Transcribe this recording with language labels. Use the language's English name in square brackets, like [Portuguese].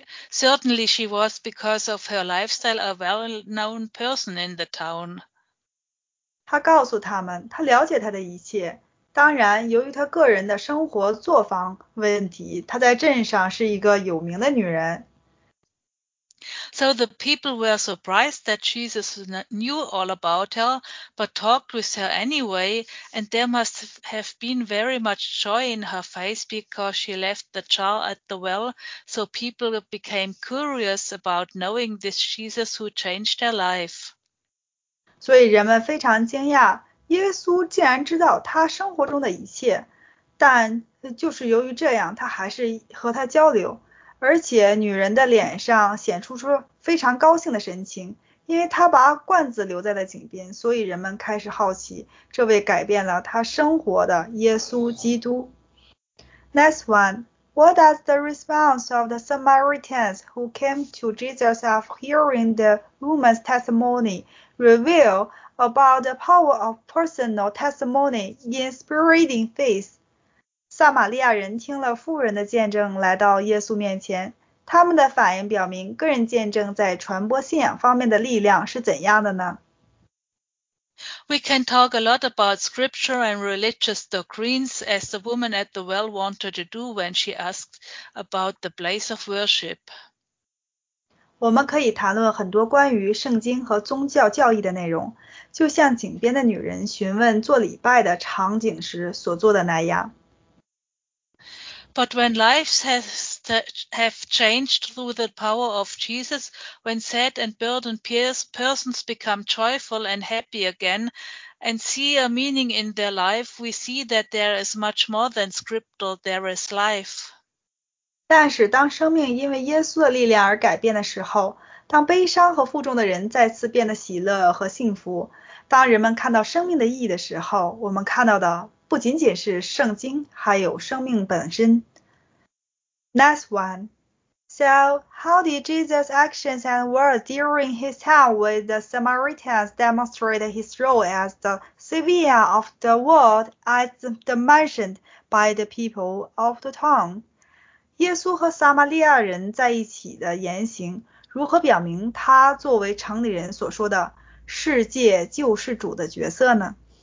[English] Certainly she was because of her lifestyle a well-known person in the town. [Chinese] 他告诉他们，他了解他的一切。当然，由于他个人的生活作风问题，他在镇上是一个有名的女人。 [English] So the people were surprised that Jesus knew all about her, but talked with her anyway, and there must have been very much joy in her face because she left the jar at the well, so people became curious about knowing this Jesus who changed their life. [Chinese] 所以人们非常惊讶，耶稣竟然知道他生活中的一切，但就是由于这样，他还是和他交流。而且女人的脸上显出出非常高兴的神情，因为她把罐子留在了井边，所以人们开始好奇这位改变了她生活的耶稣基督。 [English] Next one, what does the response of the Samaritans who came to Jesus after hearing the woman's testimony reveal about the power of personal testimony in spreading faith? [Chinese] 撒玛利亚人听了妇人的见证来到耶稣面前，他们的反应表明个人见证在传播信仰方面的力量是怎样的呢？ [English] We can talk a lot about scripture and religious doctrines as the woman at the well wanted to do when she asked about the place of worship. [Chinese] 我们可以谈论很多关于圣经和宗教教义的内容，就像井边的女人询问做礼拜的场景时所做的那样。 [English] But when lives have changed through the power of Jesus, when sad and burdened persons become joyful and happy again, and see a meaning in their life, we see that there is much more than scriptural, there is life. [Chinese] 但是当生命因为耶稣的力量而改变的时候，当悲伤和负重的人再次变得喜乐和幸福，当人们看到生命的意义的时候，我们看到的不仅仅是圣经，还有生命本身。 [English] Next one. So, how did Jesus' actions and words during his time with the Samaritans demonstrate his role as the savior of the world, as mentioned by the people of the town? [Chinese] 耶稣和撒玛利亚人在一起的言行，如何表明他作为城里人所说的世界救世主的角色呢？